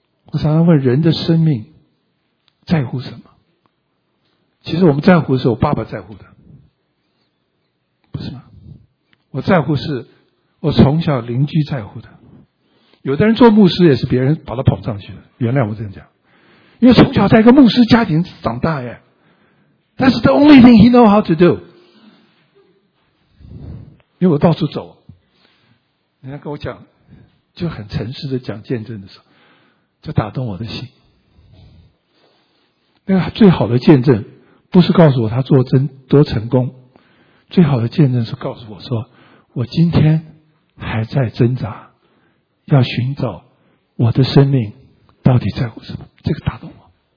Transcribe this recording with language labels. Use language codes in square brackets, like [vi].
[zh] 我常常问人的生命在乎什么？其实我们在乎的是我爸爸在乎的，不是吗？我在乎是我从小邻居在乎的。有的人做牧师也是别人把他捧上去的，原谅我这样讲，因为从小在一个牧师家庭长大耶。 [en] That's the only thing he knows how to do。 [zh] 因为我到处走，人家跟我讲，就很诚实的讲见证的时候，就打动我的心。那个最好的见证不是告诉我他做真多成功，最好的见证是告诉我说，我今天还在挣扎，要寻找我的生命到底在乎什么。这个打动我。